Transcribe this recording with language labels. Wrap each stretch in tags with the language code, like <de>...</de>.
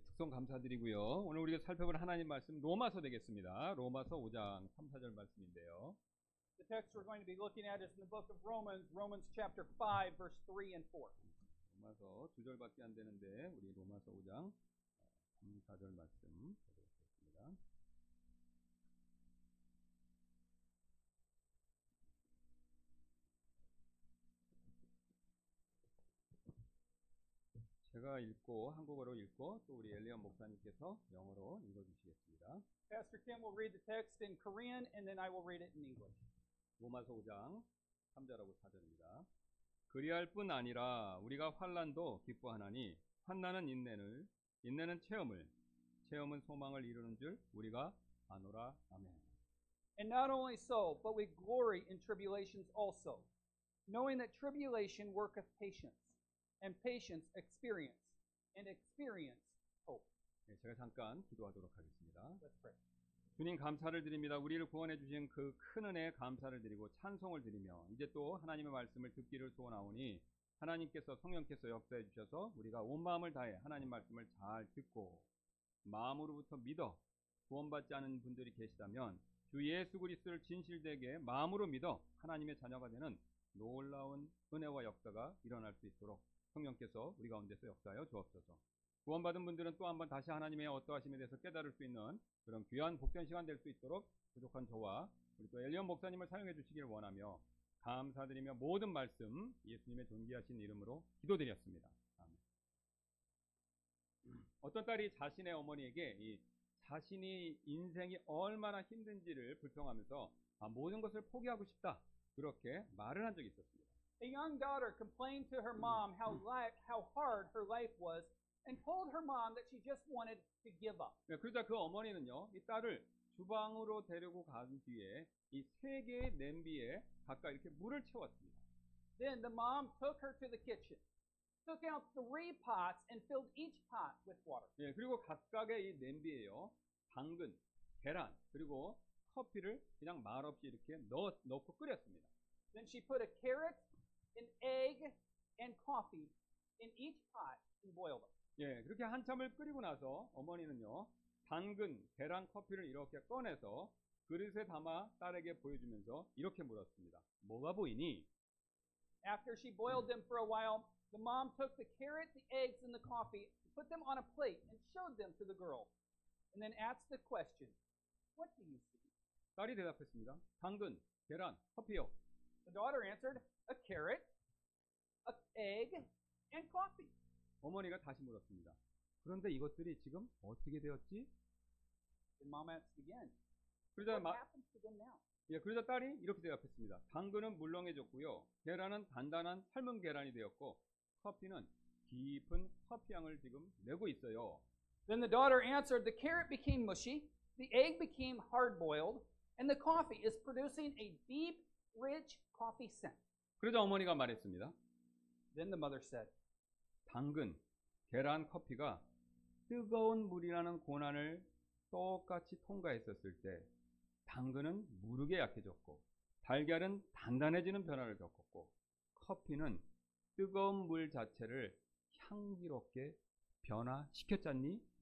<ko>감사드리고요. 오늘 우리가 살펴볼 하나님 말씀 로마서 되겠습니다. 로마서 5장 3, 4절 말씀인데요.</ko> <en>The text we're going to be looking at is in the book of Romans, Romans chapter 5, verse 3 and 4.</en> <ko>로마서 두 절밖에 안 되는데 우리 로마서 5장 3-4절 말씀 보겠습니다. 제가 읽고 한국어로 읽고 또 우리 엘리언 목사님께서 영어로 읽어 주시겠습니다.</ko> <en>Pastor Kim will read the text in Korean and then I will read it in English.</en> <ko>로마서 5장 3절하고 4절입니다. 그리할 뿐 아니라 우리가 환난도 기뻐하나니 환난은 인내를 인내는 체험을 체험은 소망을 이루는 줄 우리가 아노라. 아멘.</ko> <en>And not only so, but we glory in tribulations also, knowing that tribulation worketh patience, and patience experience, and experience hope.</en> <ko>네, 제가 잠깐 기도하도록 하겠습니다.</ko> <en>Let's pray.</en> <ko>주님 감사를 드립니다. 우리를 구원해 주신 그 큰 은혜에 감사를 드리고 찬송을 드리며 이제 또 하나님의 말씀을 듣기를 소원하오니 하나님께서 성령께서 역사해 주셔서 우리가 온 마음을 다해 하나님 말씀을 잘 듣고 마음으로부터 믿어 구원받지 않은 분들이 계시다면 주 예수 그리스도를 진실되게 마음으로 믿어 하나님의 자녀가 되는 놀라운 은혜와 역사가 일어날 수 있도록 성령께서 우리 가운데서 역사하여 주옵소서. 구원받은 분들은 또 한 번 다시 하나님의 어떠하심에 대해서 깨달을 수 있는 그런 귀한 복된 시간 될 수 있도록 부족한 저와 우리 또 엘리언 목사님을 사용해 주시길 원하며 감사드리며 모든 말씀 예수님의 존귀하신 이름으로 기도드렸습니다. 아멘. 어떤 딸이 자신의 어머니에게 이 자신이 인생이 얼마나 힘든지를 불평하면서 모든 것을 포기하고 싶다 그렇게 말을 한 적이 있었습니다.</ko> <en>A young daughter complained to her mom how hard her life was. And told her mom that she just wanted to give up.</en> <ko>네, 그러자 그 어머니는요, 이 딸을 주방으로 데리고 간 뒤에 이 세 개의 냄비에 각각 이렇게 물을 채웠습니다.</ko> <en>Then the mom took her to the kitchen, took out three pots and filled each pot with water.</en> <ko>네, 그리고 각각의 이 냄비에요, 당근, 계란, 그리고 커피를 그냥 말없이 이렇게 넣고 끓였습니다.</ko> <en>Then she put a carrot, an egg, and coffee in each pot and boiled them.</en> <ko>예, 그렇게 한참을 끓이고 나서 어머니는요 당근, 계란, 커피를 이렇게 꺼내서 그릇에 담아 딸에게 보여주면서 이렇게 물었습니다. 뭐가 보이니?</ko> <en>After she boiled them for a while, the mom took the carrot, the eggs, and the coffee, put them on a plate, and showed them to the girl, and then asked the question, "What do you see?"</en> <ko>딸이 대답했습니다. 당근, 계란, 커피요.</ko> <en>The daughter answered, "A carrot, an egg, and coffee."</en> <ko>어머니가 다시 물었습니다. 그런데 이것들이 지금 어떻게 되었지?</ko> <en>Mom asked again. What happens to them now?</en> <ko>예, 그러자 딸이 이렇게 대답했습니다. 당근은 물렁해졌고요. 계란은 단단한 삶은 계란이 되었고 커피는 깊은 커피향을 지금 내고 있어요.</ko> <en>Then the daughter answered, the carrot became mushy, the egg became hard-boiled, and the coffee is producing a deep, rich coffee scent.</en> <ko>그러자 어머니가 말했습니다.</ko> <en>Then the mother said,</en> <ko>당근, 계란, 커피가 뜨거운 물이라는 고난을 똑같이 통과했었을 때 당근은 무르게 약해졌고 달걀은 단단해지는 변화를 겪었고 커피는 뜨거운 물 자체를 향기롭게 변화시켰잖니?</ko>